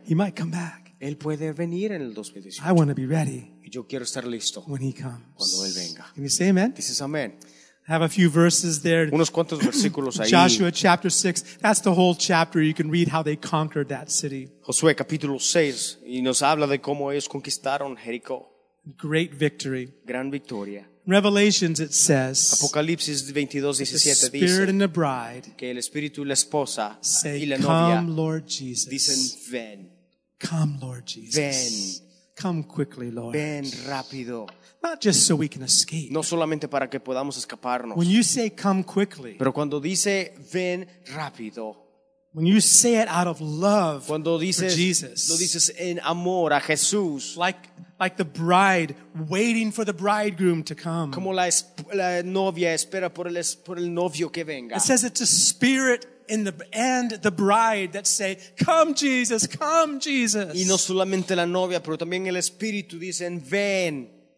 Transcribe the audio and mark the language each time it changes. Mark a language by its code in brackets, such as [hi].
[en] He might come back. [es] Él puede venir en el 2018. [en] I want to be ready. [es] Y yo quiero estar listo. [en] When he comes. [es] Cuando él venga. [en] Can you say amen? [es] Dices amén. [en] I have a few verses there. [es] Unos cuantos versículos ahí. [en] Joshua chapter 6. That's the whole chapter. You can read how they conquered that city. [es] Josué capítulo 6. Y nos habla de cómo ellos conquistaron Jericó. [en] Great victory. [es] Gran victoria. [en] Revelations, it says, [es] Apocalipsis 22:17 dice, [en] the Spirit and the Bride, [es] que el Espíritu y la esposa, [en] say, [es] y la [en] novia, come, Lord Jesus. [es] Dicen, ven. [en] Come, Lord Jesus. [es] Ven. [en] Come quickly, Lord. [es] Ven rápido. [en] Not just so we can escape. [es] No solamente para que podamos escaparnos. [en] When you say, come quickly, [es] pero cuando dice, ven rápido, [en] when you say it out of love, [es] cuando dices, [en] for Jesus, [es] lo dices en amor a Jesús, [en] like the bride waiting for the bridegroom to come. [es] Como la novia espera por el novio que venga. [en] It says it's a spirit in the and the bride that say, come Jesus, come Jesus. [es] Y no solamente la novia, pero también el espíritu dicen, ven.